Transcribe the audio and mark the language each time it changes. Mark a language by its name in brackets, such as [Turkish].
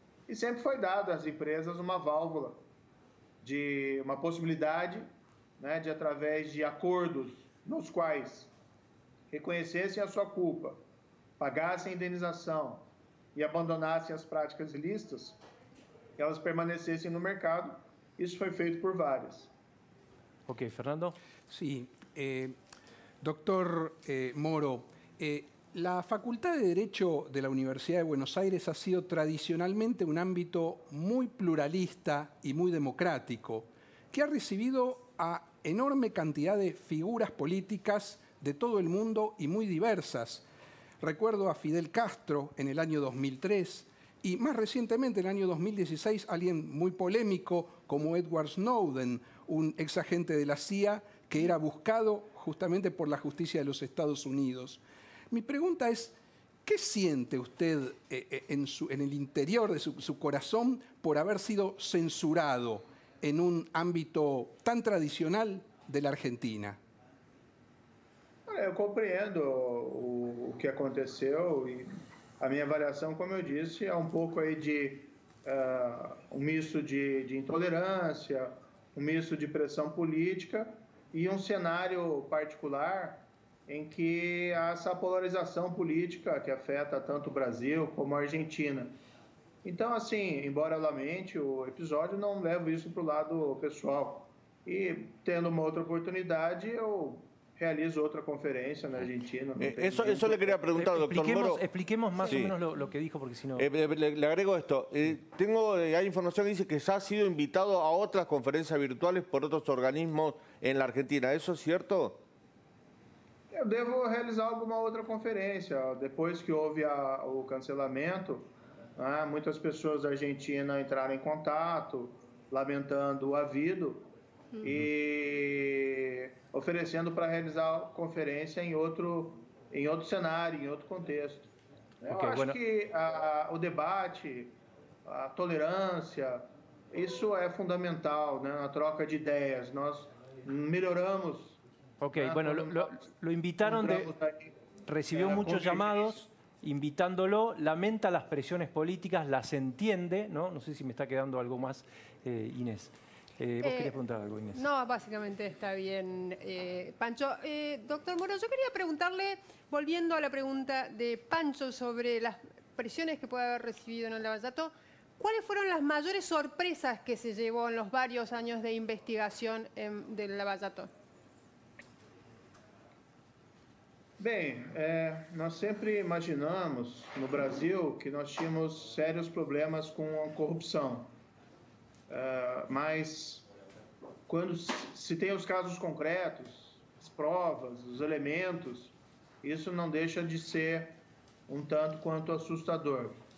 [Portuguese] E sempre foi dado às empresas uma válvula, de uma possibilidade, né, de através de acordos nos quais reconhecessem a sua culpa, pagassem indenização e abandonassem as práticas ilícitas, elas permanecessem no mercado. Isso foi feito por várias. Ok, Fernando. Sim. [Spanish] Doctor Moro, la Facultad de Derecho de la Universidad de Buenos Aires ha sido tradicionalmente un ámbito muy pluralista y muy democrático, que ha recibido a enorme cantidad de figuras políticas de todo el mundo y muy diversas. Recuerdo a Fidel Castro en el año 2003 y más recientemente, en el año 2016, alguien muy polémico como Edward Snowden, un ex agente de la CIA que era buscado justamente por la justicia de los Estados Unidos. Mi pregunta es, ¿qué siente usted en el interior de su corazón por haber sido censurado en un ámbito tan tradicional de la Argentina? [Portuguese] Eu compreendo o que aconteceu e a minha avaliação, como eu disse, é um pouco aí de um misto de intolerância, um misto de pressão política e um cenário particular em que essa polarização política que afeta tanto o Brasil como a Argentina. Então, assim, embora eu lamente o episódio, não levo isso para o lado pessoal. E, tendo uma outra oportunidade, eu realizo outra conferência na Argentina. [Spanish] Eso le quería preguntar, doctor Moro. Expliquemos más o menos lo que dijo, porque si no... Le agrego esto. Hay información que dice que ya ha sido invitado a otras conferencias virtuales por otros organismos en la Argentina. ¿Eso es cierto? Yo debo realizar alguna otra conferencia. Después que hubo el cancelamiento, muchas personas de Argentina entraron en contacto, lamentando lo habido. [Portuguese] E oferecendo para realizar conferência em outro cenário, em outro contexto. Okay, eu acho que o debate, a tolerância, isso é fundamental, né, na troca de ideias. Nós melhoramos. [Spanish] Ok, bueno, lo invitaron de... Recibió muchos llamados invitándolo, lamenta las presiones políticas, las entiende, ¿no? No sé si me está quedando algo más, Inés. ¿Vos querías preguntar algo, Inés? No, básicamente está bien, Pancho. Doctor Moro, yo quería preguntarle, volviendo a la pregunta de Pancho sobre las presiones que puede haber recibido en el Lavallato, ¿cuáles fueron las mayores sorpresas que se llevó en los varios años de investigación del Lavallato? [Portuguese] Bem, nós sempre imaginamos no Brasil que nós tínhamos sérios problemas com a corrupção. Mas quando se tem os casos concretos, as provas, os elementos, isso não deixa de ser um tanto quanto assustador.